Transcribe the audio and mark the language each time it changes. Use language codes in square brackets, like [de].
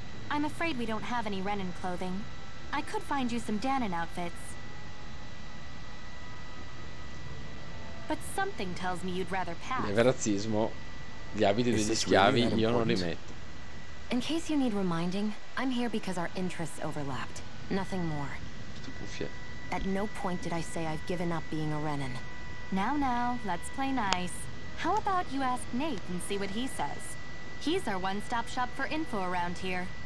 [en] I'm afraid we don't have any Renin clothing. I could find you some Danin outfits. But something tells me you'd rather pass. [it] Il razzismo, gli abiti degli schiavi, io non li metto. [en] In case you need reminding, I'm here because our interests overlapped. Nothing more. At no point did I say I've given up being a Renin. Now, now, let's play nice. How about you ask Nate and see what he says? He's our one-stop shop for info around here.